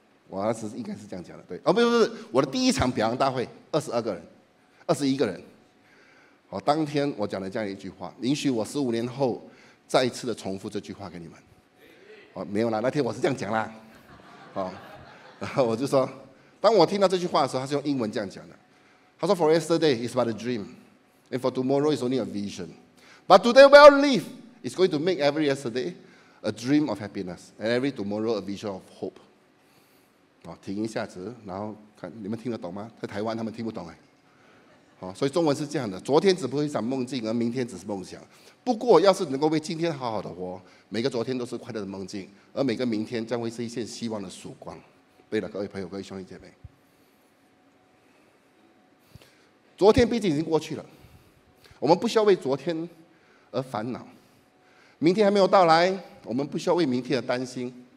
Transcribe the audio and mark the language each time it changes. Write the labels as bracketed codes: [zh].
[zh] 我当时应该是这样讲的，对。哦，不是，我的第一场表扬大会，21个人，当天我讲了这样一句话，允许我15年后再一次的重复这句话给你们。没有啦，那天我是这样讲啦。好，然后我就说，当我听到这句话的时候，他是用英文这样讲的。他说 [en] ：“For yesterday is but a dream, and for tomorrow is only a vision. But today, well lived, is going to make every yesterday a dream of happiness, and every tomorrow a vision of hope.” [zh] 停一下子，然后看你们听得懂吗？在台湾他们听不懂哎。所以中文是这样的：昨天只不过是一场梦境，而明天只是梦想。不过，要是能够为今天好好的活，每个昨天都是快乐的梦境，而每个明天将会是一线希望的曙光。对了，各位朋友，各位兄弟姐妹，昨天毕竟已经过去了，我们不需要为昨天而烦恼，明天还没有到来，我们不需要为明天而担心。